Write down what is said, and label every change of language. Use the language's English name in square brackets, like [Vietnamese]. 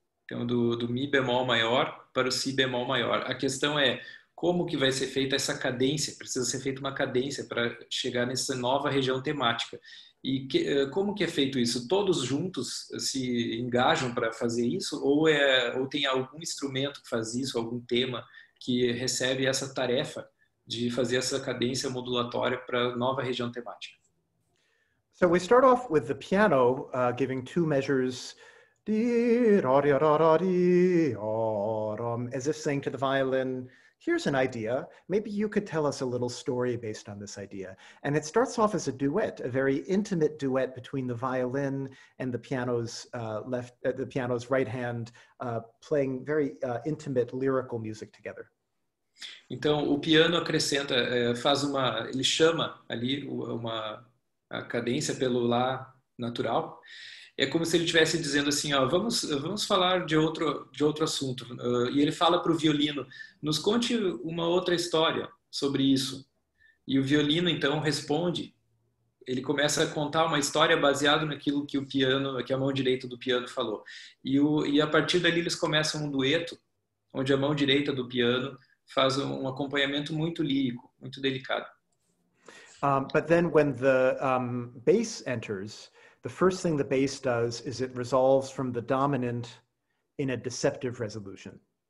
[Portuguese] Então, do mi bemol maior para o si bemol maior. A questão é como que vai ser feita essa cadência, precisa ser feita uma cadência para chegar nessa nova região temática. E como que é feito isso? Todos juntos se engajam para fazer isso? Ou tem algum instrumento que faz isso, algum tema que recebe essa tarefa de fazer essa cadência modulatória para a nova região temática? [English] So we start off with the piano giving two measures, as if saying to the violin, here's an idea. Maybe you could tell us a little story based on this idea. And it starts off as a duet, a very intimate duet between the violin and the piano's the piano's right hand, playing very intimate lyrical music together. [Portuguese] Então, o piano acrescenta, faz uma, ele chama ali uma cadência pelo lá natural. É como se ele estivesse dizendo assim, ó, vamos falar de outro assunto. E ele fala para o violino, nos conte uma outra história sobre isso. E o violino, então, responde. Ele começa a contar uma história baseada naquilo que o piano, que a mão direita do piano falou. E a partir dali eles começam um dueto, onde a mão direita do piano faz um acompanhamento muito lírico, muito delicado. [English] But then when the bass enters, the first thing the bass does is it resolves from the dominant in a deceptive resolution.